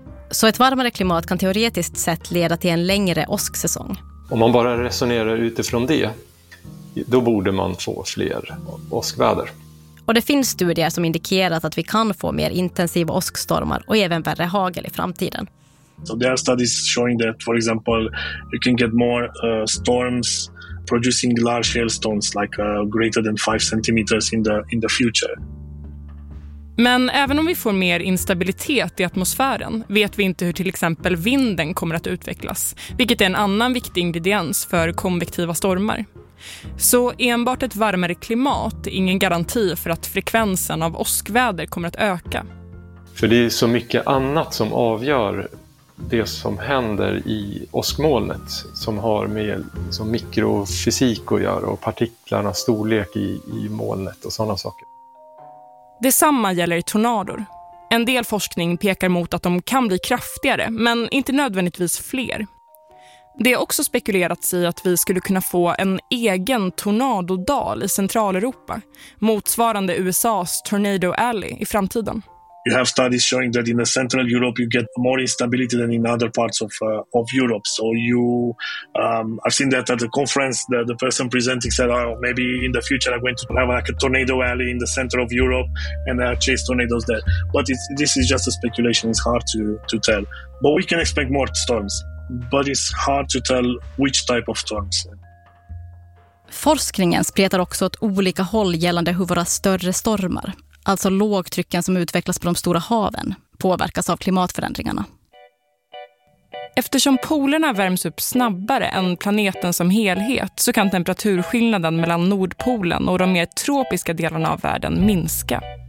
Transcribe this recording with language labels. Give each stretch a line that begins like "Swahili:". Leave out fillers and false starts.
Swedish: Så ett varmare klimat kan teoretiskt sett leda till en längre åsksäsong. Om man bara resonerar utifrån det, då borde man få fler åskväder. Och det finns studier som indikerat att vi kan få mer intensiva åskstormar och även värre hagel i framtiden.
English: So there are studies showing that for example you can get more storms producing large hailstones like greater than 5 centimeters in the future.
Swedish: Men även om vi får mer instabilitet i atmosfären vet vi inte hur till exempel vinden kommer att utvecklas, vilket är en annan viktig ingrediens för konvektiva stormar. Så enbart ett varmare klimat är ingen garanti för att frekvensen av åskväder kommer att öka. För det är så mycket annat som avgör det som händer i åskmolnet som har med som mikrofysik att göra och partiklarnas storlek i molnet och sådana saker. Detsamma gäller tornador. En del forskning pekar mot att de kan bli kraftigare men inte nödvändigtvis fler. Det är också spekulerats i att vi skulle kunna få en egen tornadodal i Centraleuropa, motsvarande USA:s Tornado Alley i framtiden.
English: You have studies showing that in the Central Europe you get more instability than in other parts of Europe. So you I've seen that at the conference that the person presenting said, "Oh, maybe in the future I'm going to have like a tornado alley in the center of Europe and chase tornadoes there." But this is just a speculation, it's hard to tell. But we can expect more storms. But it's hard to tell which type of storms.
Swedish: Forskningen spretar också åt olika håll gällande hur våra större stormar, alltså lågtrycken som utvecklas på de stora haven, påverkas av klimatförändringarna. Eftersom polerna värms upp snabbare än planeten som helhet så kan temperaturskillnaden mellan Nordpolen och de mer tropiska delarna av världen minska.